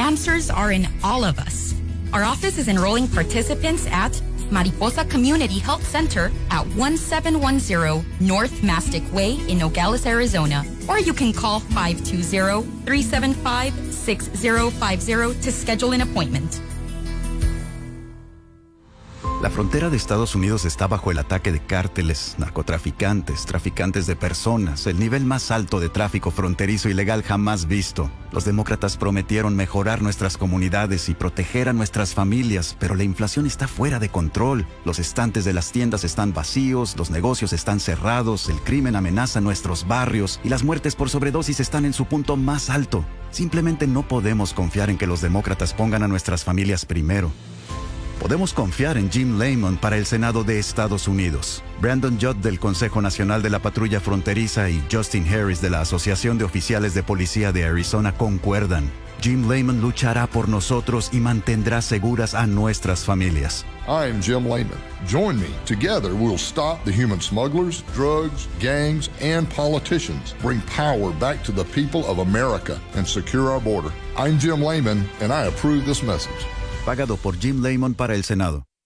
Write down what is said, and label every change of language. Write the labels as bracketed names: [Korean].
[English] Answers are in all of us. Our office is enrolling participants at Mariposa Community Health Center at 1710 North Mastic Way in Nogales, Arizona. Or you can call 520-375-6050 to schedule an appointment. [Spanish] La frontera de Estados Unidos está bajo el ataque de cárteles, narcotraficantes, traficantes de personas, el nivel más alto de tráfico fronterizo ilegal jamás visto. Los demócratas prometieron mejorar nuestras comunidades y proteger a nuestras familias, pero la inflación está fuera de control. Los estantes de las tiendas están vacíos, los negocios están cerrados, el crimen amenaza nuestros barrios y las muertes por sobredosis están en su punto más alto. Simplemente no podemos confiar en que los demócratas pongan a nuestras familias primero. Podemos confiar en Jim Lehman para el Senado de Estados Unidos, Brandon Judd del Consejo Nacional de la Patrulla Fronteriza y Justin Harris de la Asociación de Oficiales de Policía de Arizona concuerdan. Jim Lehman luchará por nosotros y mantendrá seguras a nuestras familias. [English] I'm Jim Lehman. Join me. Together we'll stop the human smugglers, drugs, gangs, and politicians. Bring power back to the people of America and secure our border. I'm Jim Lehman, and I approve this message. [Spanish] Pagado por Jim Lehman para el Senado.